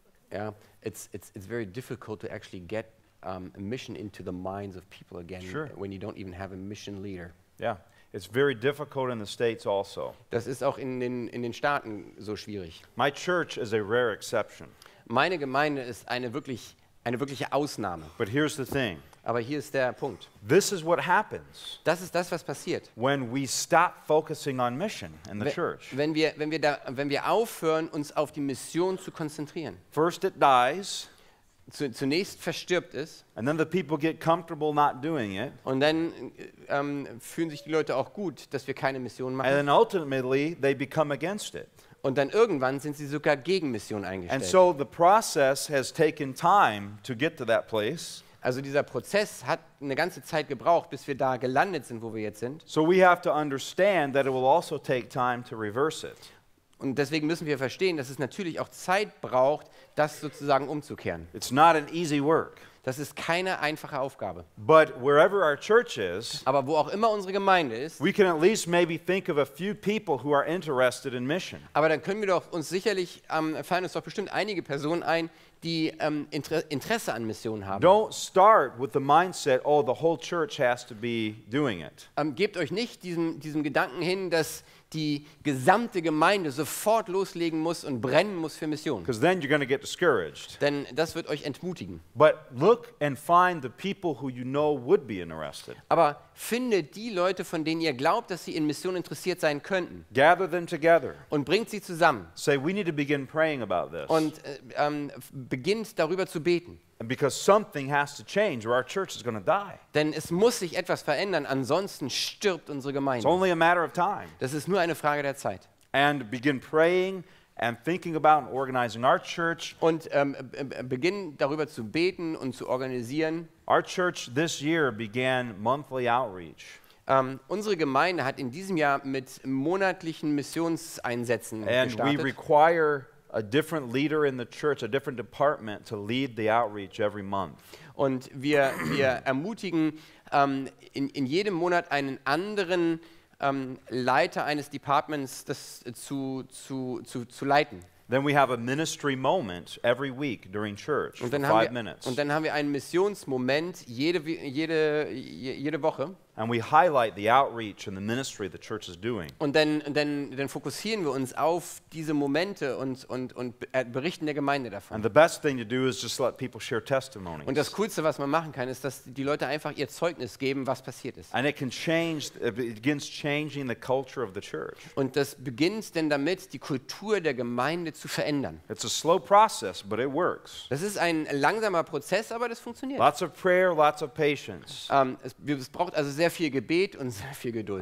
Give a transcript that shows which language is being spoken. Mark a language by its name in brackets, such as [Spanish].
[English] Yeah, it's very difficult to actually get a mission into the minds of people again when you don't even have a mission leader. Yeah, it's very difficult in the States also. [German] Das ist auch in den Staaten so schwierig. [English] My church is a rare exception. [German] Meine Gemeinde ist eine wirkliche Ausnahme. [English] But here's the thing. [German] Aber hier ist der Punkt. [English] This is what happens. [German] Das ist das, was passiert. [English] When we stop focusing on mission in the church. [German] Wenn wir aufhören, uns auf die Mission zu konzentrieren. [English] First it dies. [German] Zunächst verstirbt es. [English] And then the people get comfortable not doing it. [German] Und dann fühlen sich die Leute auch gut, dass wir keine Mission machen. [English] And then ultimately they become against it. [German] Und dann irgendwann sind sie sogar gegen Mission eingestellt. [English] And so the process has taken time to get to that place. [German] Also dieser Prozess hat eine ganze Zeit gebraucht, bis wir da gelandet sind, wo wir jetzt sind. [English] So we have to understand that it will also take time to reverse it. [German] Und deswegen müssen wir verstehen, dass es natürlich auch Zeit braucht, das sozusagen umzukehren. [English] It's not an easy work. [German] Das ist keine einfache Aufgabe. [English] But wherever our church is, [German] aber wo auch immer unsere Gemeinde ist, [English] we can at least maybe think of a few people who are interested in mission. [German] Aber dann können wir doch uns sicherlich fallen uns doch bestimmt einige Personen ein, die Interesse an Mission haben. [English] Don't start with the mindset, oh, the whole church has to be doing it. [German] Gebt euch nicht diesem Gedanken hin, dass die gesamte Gemeinde sofort loslegen muss und brennen muss für Mission. [English] Because then you're going to get discouraged. [German] Denn das wird euch entmutigen. [English] But look and find the people who you know would be interested. [German] Aber findet die Leute, von denen ihr glaubt, dass sie in Mission interessiert sein könnten. [English] Gather them together. [German] Und bringt sie zusammen. [English] Say, we need to begin praying about this. [German] Und beginnt darüber zu beten. [English] And because something has to change, or our church is going to die. [German] Denn es muss sich etwas verändern, ansonsten stirbt unsere Gemeinde. [English] It's only a matter of time. [German] Das ist nur eine Frage der Zeit. [English] And begin praying and thinking about and organizing our church. [German] Und beginn darüber zu beten und zu organisieren. [English] Our church this year began monthly outreach. [German] Unsere Gemeinde hat in diesem Jahr mit monatlichen Missionseinsätzen [English] and [German] gestartet. [English] And we require a different leader in the church, a different department to lead the outreach every month. [German] Und wir ermutigen in jedem Monat einen anderen Leiter eines Departments das zu leiten. [English] Then we have a ministry moment every week during church [German] und dann [English] for 5 minutes. [German] Und dann haben wir einen Missionsmoment jede Woche. [English] And we highlight the outreach and the ministry the church is doing. [German] Und dann fokussieren wir uns auf diese Momente und berichten der Gemeinde davon. [English] And the best thing to do is just let people share testimonies. [German] Und das Coolste, was man machen kann, ist, dass die Leute einfach ihr Zeugnis geben, was passiert ist. [English] And it can change, it begins changing the culture of the church. [German] Und das beginnt denn damit, die Kultur der Gemeinde zu verändern. [English] It's a slow process, but it works. [German] Das ist ein langsamer Prozess, aber das funktioniert. [English] Lots of prayer, lots of patience. [German] Es braucht also sehr viel Gebet und sehr viel Geduld.